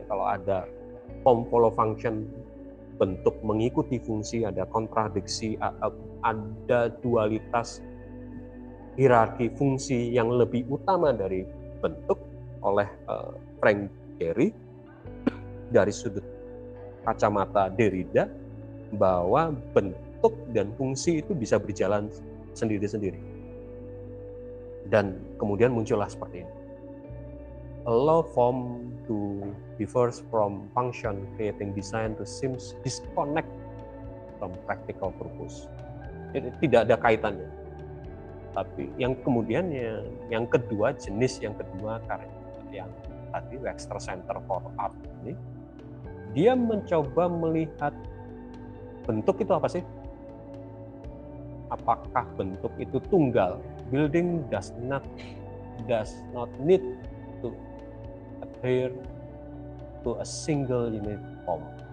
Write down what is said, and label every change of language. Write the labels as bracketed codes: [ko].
[id] Kalau ada [en] form follow function, [id] bentuk mengikuti fungsi, ada kontradiksi, ada dualitas hierarki fungsi yang lebih utama dari bentuk oleh Frank Gehry dari sudut kacamata Derrida, bahwa bentuk dan fungsi itu bisa berjalan sendiri-sendiri. Dan kemudian muncullah seperti ini. [en] Allow form to differ from function, creating design to seem disconnect from practical purpose. [id] Jadi tidak ada kaitannya. Tapi yang kemudian yang kedua, jenis yang kedua karya yang tadi, Wexner Center for Art ini, dia mencoba melihat bentuk itu apa sih? Apakah bentuk itu tunggal? [en] Building does not need to appear to a single unit form.